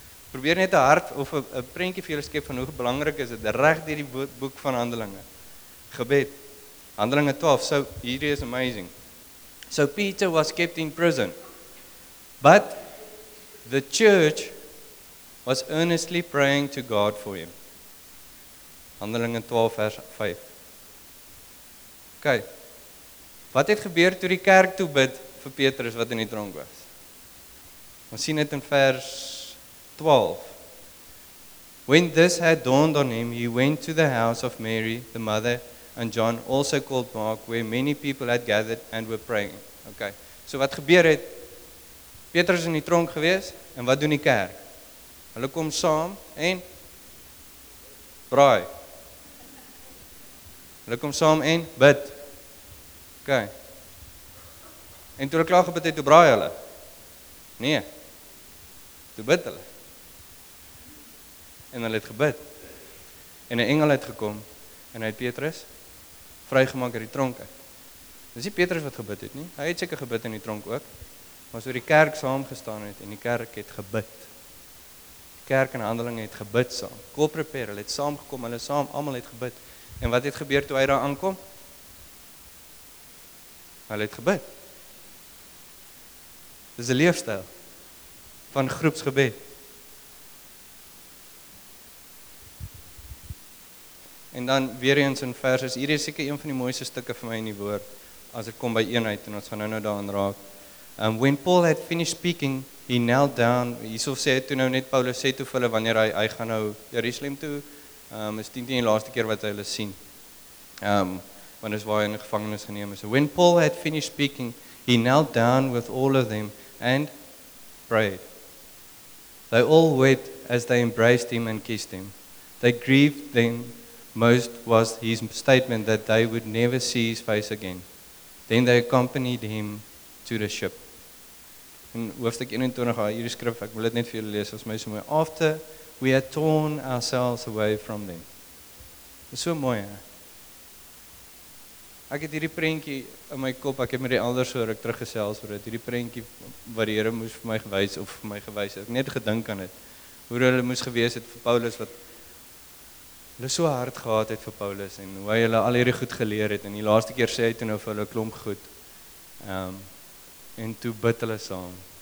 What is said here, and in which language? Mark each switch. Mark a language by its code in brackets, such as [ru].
[af] Probeer net 'n hart of 'n prentjie vir julle skep van hoe belangrik is dit reg deur die boek van Handelinge. Gebed. Handelinge 12, so hierdie is amazing. [en] So Peter was kept in prison, but the church was earnestly praying to God for him. [af] Handelinge 12 vers 5. OK. Wat het gebeur toe die kerk toe bid vir Petrus wat in die tronk was? Ons sien dit in vers 12. [en] When this had dawned on him, he went to the house of Mary, the mother, and John, also called Mark, where many people had gathered and were praying. [af] OK. So wat gebeur het? Petrus is in die tronk gewees, en wat doen die kerk? Hulle kom saam en braai. Hulle kom saam en bid. OK. En toe hulle klaar gebid het, toe braai hulle. Nee. Toe bid hulle. En hulle het gebid. En 'n engel het gekom en hy het Petrus vrygemaak uit die tronk. Dis nie Petrus wat gebid het nie. Hy het seker gebid in die tronk ook. Maar so die kerk saam gestaan het en die kerk het gebid. Kerk en Handelinge het gebid saam. Corporate prayer, hulle het saamgekom, hulle saam, almal het gebid. En wat het gebeur toe hy daar aankom? Hulle het gebid. Dis 'n leefstyl van groepsgebed. En dan weer eens in verse, hier is seker een van die mooiste stukke vir my in die woord. as dit kom by eenheid en ons gaan nou daaraan raak. [en] When Paul had finished speaking, he knelt down. [af] Hierso sê hy toe nou net Paulus sê toe vir hulle wanneer hy gaan nou Jerusalem toe. Is 10 die laaste keer wat hy hulle sien. Wanneer is waar hy in gevangenis geneem is. [en] When Paul had finished speaking, he knelt down with all of them and prayed. They all wept as they embraced him and kissed him. They grieved them most was his statement that they would never see his face again. Then they accompanied him to the ship. [af] In hoofstuk 21, hierdie skrif, ek wil dit net vir julle lees, as my so mooi. [en] After we had torn ourselves away from them. [af] Dit is so mooi, hè? Ek het hierdie prentjie in my kop, ek het met die elders so ruk teruggesels oor dit, hierdie prentjie wat die Here moes vir my gewys, of vir my gewys, ek net gedink aan dit, hoe hulle moes gewees het vir Paulus, wat hulle so hard gehad het vir Paulus, en hoe hy hulle al hierdie goed geleer het, en die laaste keer sê hy toen of hulle klomp goed, en toe bid hulle saam,